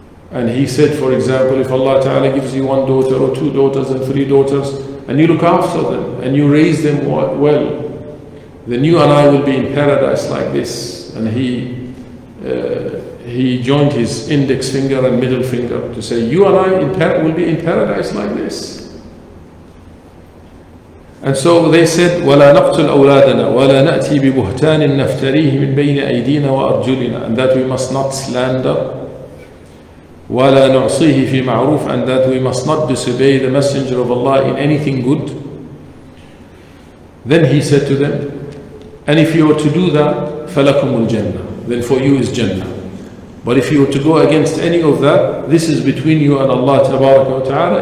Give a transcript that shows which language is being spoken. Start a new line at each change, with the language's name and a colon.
English: And he said, for example, if Allah Ta'ala gives you one daughter or two daughters and three daughters, and you look after them and you raise them well, then you and I will be in paradise like this. And he joined his index finger and middle finger to say, you and I will be in paradise like this. And so they said,
Arabic: وَلَا نَقْتُلْ أَوْلَادَنَا وَلَا نَأْتِي بِبُهْتَانٍ نَفْتَرِيهِ مِنْ بَيْنِ أَيْدِينَا وَأَرْجُلِنَا,
English: and that we must not slander.
Arabic: وَلَا نُعْصِيهِ فِي مَعْرُوفٍ,
English: and that we must not disobey the Messenger of Allah in anything good. Then he said to them, and if you were to do that,
Arabic: فَلَكُمُ الْجَنَّةِ,
English: then for you is Jannah. But if you were to go against any of that, this is between you and Allah Tabaraka wa Ta'ala.